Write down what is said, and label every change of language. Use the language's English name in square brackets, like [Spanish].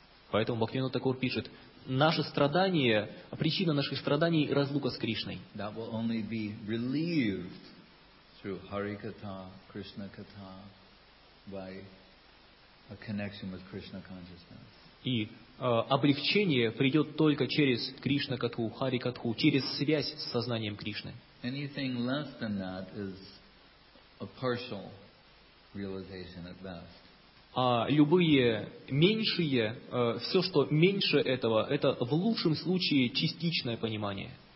[Russian] Поэтому Бхактивинода Тхакур пишет, наше страдание, причина наших страданий – разлука с Кришной. [English] That will only be relieved through Harikatha, Krishna Katha, by a connection with Krishna consciousness. [Russian] И облегчение придет только через Кришна Катху, Хари Катху, через связь с сознанием Кришны. [English] Anything less than that is a partial realization at best. [Russian] А любые меньшие, все, что меньше этого, это в лучшем случае частичное понимание.